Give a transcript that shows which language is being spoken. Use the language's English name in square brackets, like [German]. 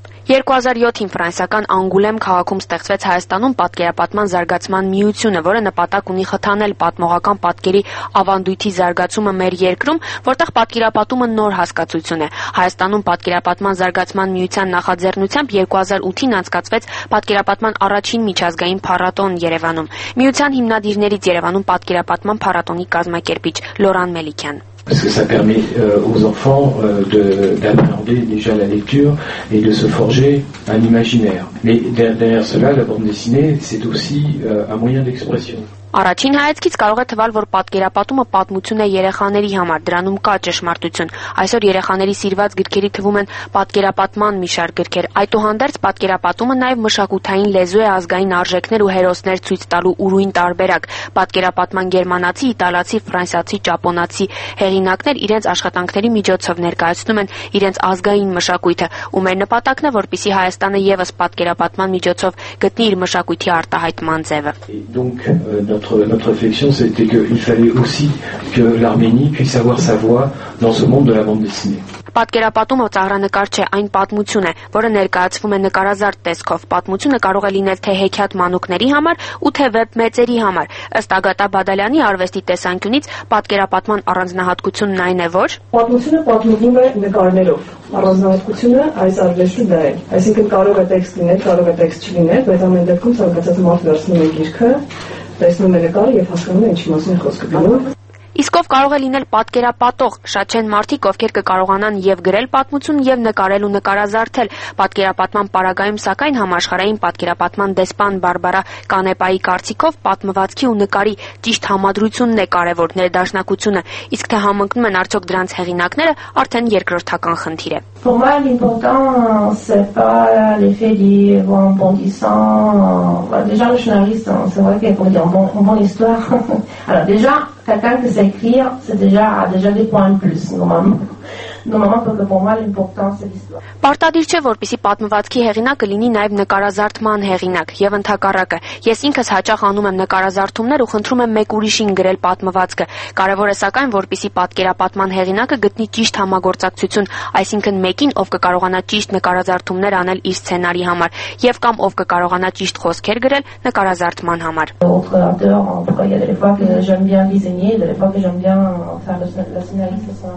[Armenian] 2007-ին ֆրանսական Անգուլեմ քաղաքում ստեղծվեց Հայաստանում պատկերապատման զարգացման միությունը, որը նպատակ ունի խթանել պատմողական պատկերի ավանդույթի զարգացումը մեր երկրում, որտեղ պատկերապատումը նոր հասկացություն է։ Հայաստանում պատկերապատման զարգացման միության նախաձեռնությամբ 2008-ին անցկացվեց պատկերապատման առաջին միջազգային փառատոնը Երևանում։ Միության հիմնադիրներից Երևանում պատկերապատման փառատոնի կազմակերպիչ Լորան Մելիքյան։ [French] Parce que ça permet aux enfants d'appréhender déjà la lecture et de se forger un imaginaire. Mais derrière cela, la bande dessinée, c'est aussi un moyen d'expression. [Armenian] Առաջին հայացքից կարող է թվալ, որ պատկերապատումը պատմություն է երեխաների համար, դրանում կա ճշմարտություն։ Այսօր երեխաների սիրված գրքերի թվում են պատկերապատման մի շարք գրքեր։ Այդուհանդերձ պատկերապատումը նաև մշակութային լեզու է, ազգային արժեքներ ու հերոսներ ցույց տալու ուրույն տարբերակ։ Պատկերապատման գերմանացի, իտալացի, ֆրանսիացի, ճապոնացի հեղինակներ իրենց աշխատանքների միջոցով ներկայացնում են իրենց ազգային մշակույթը, ու մեր նպատակն է, որպեսզի Հայաստանը եւս պատկերապատման միջոցով գտնի իր մշակույթի արտահայտման ձևը։ [French] Notre réflexion, c'était qu'il fallait aussi que l'Arménie puisse avoir sa voix dans ce monde de la bande dessinée. [Armenian] Պատկերապատումը ծաղրանկարչ է, այն պատմություն է, որը ներկայացվում է նկարազարդ տեսքով։ Պատմությունը կարող է լինել թե հեքիաթ մանուկների համար, ու թե վեպ մեծերի համար։ Ըստ Ագատա Բադալյանի արվեստի տեսանկյունից, պատկերապատման առանձնահատկությունն այն է, որ պատմությունը պատմվում է նկարներով։ Առանձնահատկությունը այս արվեստի դա է։ Այսինքն կարող է տեքստ լինել, կարող է տեքստ չլինել, բայց ամեն դեպքում ցանկացած մարդ վերցնում է գիրքը, տեսնում է նկարը եւ հասկանում է ինչի մասին խոսքը գնում։ Իսկով կարող է լինել պատկերապատող, շատ չեն մարդիկ, ովքեր կկարողանան և գրել պատմություն, և նկարել ու նկարազարդել։ Պատկերապատման պարագայում, սակայն, համաշխարհային պատկերապատման դեսպան Բարբարա Կանեպայի կարծիքով, պատմվածքի ու նկարի ճիշտ համադրությունն է կարևոր, ներդաշնակությունը, իսկ թե համընկնում են արդյոք դրանց հեղինակները, արդեն երկրորդական խնդիր է։ [French] Pour moi, l'important, c'est pas l'effet du rebondissant. Bah, déjà, le scénariste, hein, c'est vrai qu'il faut dire bon histoire. Alors, déjà, quelqu'un qui sait écrire, c'est déjà des points de plus, normalement. [Armenian] Պարտադիր չէ, որպեսի պատմվածքի հեղինակը լինի նաև նկարազարդման հեղինակ եւ ընդհակառակը։ Ես ինքս հաճախ անում եմ նկարազարդումներ ու խնդրում եմ մեկ ուրիշին գրել պատմվածքը։ Կարևոր է, սակայն, որպեսի պատկերապատման հեղինակը գտնի ճիշտ համագործակցություն, այսինքն մեկին, ով կկարողանա ճիշտ նկարազարդումներ անել իր սցենարի համար, եւ կամ ով կկարողանա ճիշտ խոսքեր գրել նկարազարդման համար։